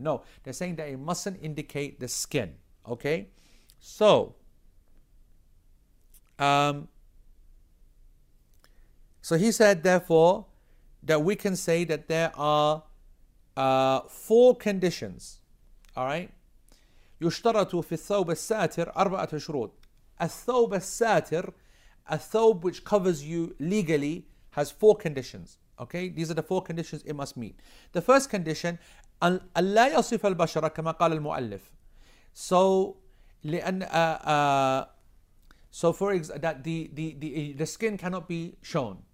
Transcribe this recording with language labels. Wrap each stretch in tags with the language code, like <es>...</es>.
<en>No, they're saying that it mustn't indicate the skin. Okay. So, so he said, therefore, that we can say that there are four conditions. All right.</en> <ar>يُشْتَرَطُ فِي الثَّوْبَ السَّاتِرِ أَرْبَعَةَ شُرُوطٍ. الثَّوْبَ السَّاتِرِ,</ar> <en>a thobe which covers you legally, has four conditions. Okay, these are the four conditions it must meet. The first condition,</en> <ar>أَلَّا يَصِفَ الْبَشَرَ كَمَا قَالَ الْمُؤَلِّفِ.</ar> <en>So, the skin cannot be shown.</en>